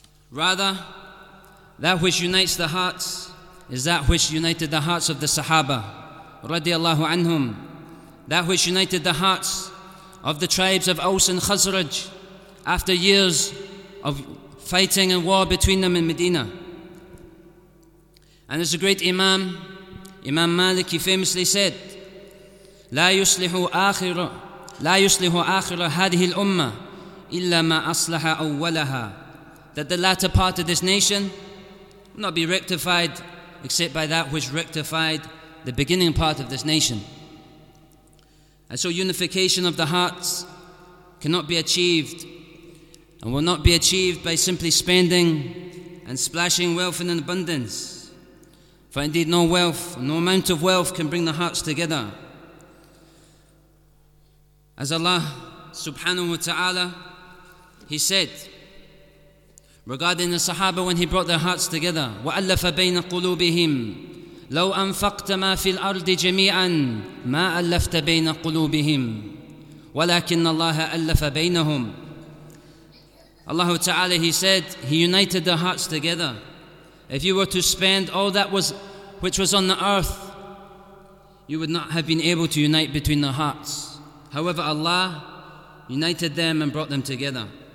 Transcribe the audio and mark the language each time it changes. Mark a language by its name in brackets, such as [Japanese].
[English] Rather, that which unites the hearts is that which united the hearts of the Sahaba, radiallahu anhum. That which united the hearts of the tribes of Aus and Khazraj after years of fighting and war between them in Medina. And as a great Imam, Imam Malik, he famously said, [Arabic] لا يصلح آخر هذه الأمة إلا ما أصلح أولها. [English] That the latter part of this nation will not be rectified except by that which rectified the beginning part of this nation. And so unification of the hearts cannot be achieved and will not be achieved by simply spending and splashing wealth in abundance. For indeed no wealth, no amount of wealth can bring the hearts together. As Allah subhanahu wa ta'ala, He said regarding the Sahaba when He brought their hearts together, [Arabic] وَأَلَّفَ بَيْنَ قُلُوبِهِمْ لو أنفقت ما في الأرض جميعا ما ألفت بين قلوبهم ولكن الله ألف بينهم. [English] Allah Ta'ala, He said, He united their hearts together. If you were to spend all that was which was on the earth, you would not have been able to unite between their hearts. However, Allah united them and brought them together.